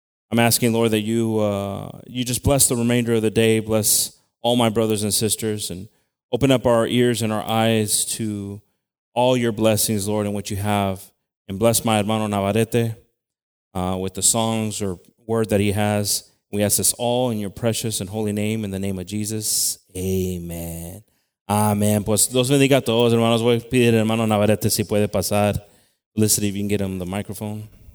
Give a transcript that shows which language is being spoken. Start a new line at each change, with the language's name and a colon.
English: I'm asking, Lord, that you just bless the remainder of the day, bless all my brothers and sisters, and open up our ears and our eyes to all your blessings, Lord, and what you have, and bless my hermano Navarrete with the songs or word that he has. We ask this all in your precious and holy name, in the name of Jesus.
Spanish: Amen. Amen. Pues Dios bendiga a todos, hermanos. Voy a pedir hermano Navarrete si puede pasar.
English: Felicity, if you can get him the microphone.